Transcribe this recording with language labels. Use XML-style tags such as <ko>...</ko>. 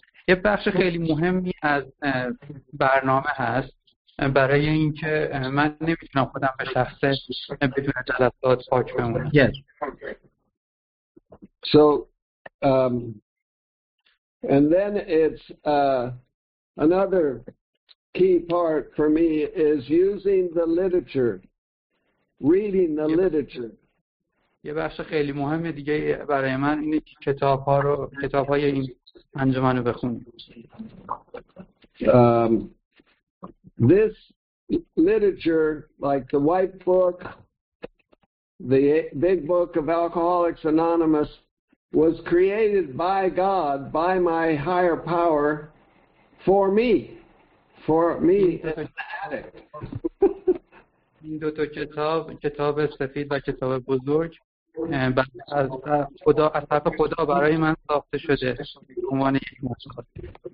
<fa>یه بخش خیلی مهمی از برنامه هست برای اینکه من نمیتونم خودم به شخصه بدون جلسات پاک بمونم.</fa> <en>Yes. So and then it's another key part for me is using the literature, reading the literature.</en> <fa>یه بخش خیلی مهم دیگه برای من اینه که کتاب‌های این انجمن رو بخونیم.</fa> <en>This literature like the white book, the big book of Alcoholics Anonymous was created by God, by my higher power for me as an addict.</en> <fa>این دو تا کتاب سفید و کتاب بزرگ از خدا از طرف خدا برای من ساخته شده عنوان یک مشکل.</fa>